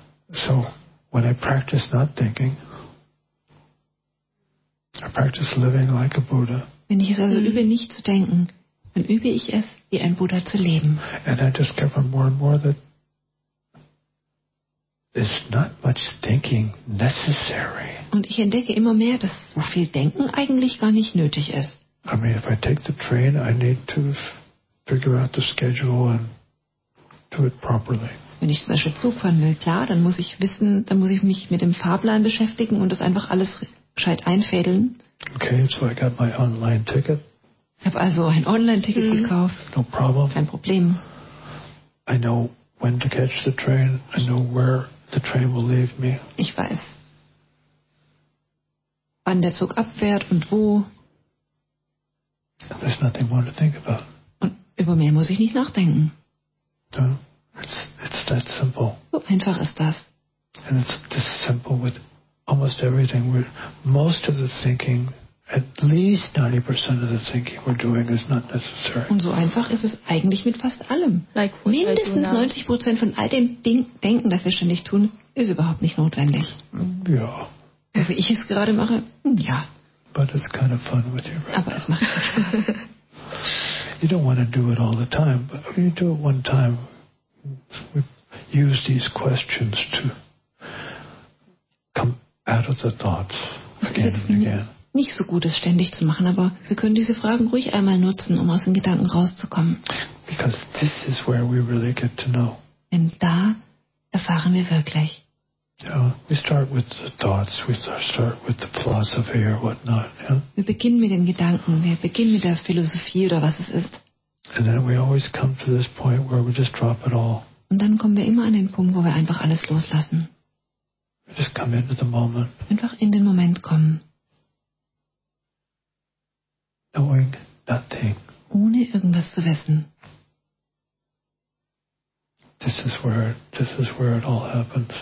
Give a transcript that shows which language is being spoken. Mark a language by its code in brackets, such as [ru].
[en] So when I practice not thinking, I practice living like a Buddha. [de] Wenn ich es also übe, nicht zu denken, dann übe ich es, wie ein Buddha zu leben. [en] And I discover more and more that there's not much thinking necessary. [de] Und ich entdecke immer mehr, dass so viel Denken eigentlich gar nicht nötig ist. [en] I mean, if I take the train, I need to figure out the schedule and do it properly. [de] Wenn ich zum Beispiel Zug fahren will, klar, dann muss ich wissen, dann muss ich mich mit dem Fahrplan beschäftigen und das einfach alles gescheit einfädeln. [en] Okay, so I got my online ticket. [de] Ich habe also ein Online-Ticket gekauft. [en] No problem. [de] Kein Problem. [en] I know when to catch the train. I know where the train will leave me. [de] Ich weiß, wann der Zug abfährt und wo. [en] There's nothing more to think about. [de] Und über mehr muss ich nicht nachdenken. [en] No. It's that simple. [de] So einfach ist das. [en] And it's this simple with almost everything. Most of the thinking, at least 90% of the thinking we're doing is not necessary. [de] Und so einfach ist es eigentlich mit fast allem. [en] Like [de] mindestens 90% von all dem Denken, das wir ständig tun, ist überhaupt nicht notwendig. Ja. Also ich es gerade mache, ja. [en] But it's kind of fun with you right [de] Aber [en] now. [de] Es macht Spaß. [en] You don't want to do it all the time, but if you do it one time, we use these questions to come out of the thoughts again and again. [de] Nicht so gut, es ständig zu machen, aber wir können diese Fragen ruhig einmal nutzen, um aus den Gedanken rauszukommen. [en] Because this is where we really get to know. [de] Denn da erfahren wir wirklich. [en] Yeah, we start with the thoughts, we start with the philosophy or whatnot. Yeah? [de] Wir beginnen mit den Gedanken, wir beginnen mit der Philosophie oder was es ist. [en] And then we always come to this point where we just drop it all. [de] Und dann kommen wir immer an den Punkt, wo wir einfach alles loslassen. [en] We just come into the moment. [de] Einfach in den Moment kommen. [en] Knowing nothing. [de] Ohne irgendwas zu wissen. [en] This is where it all happens.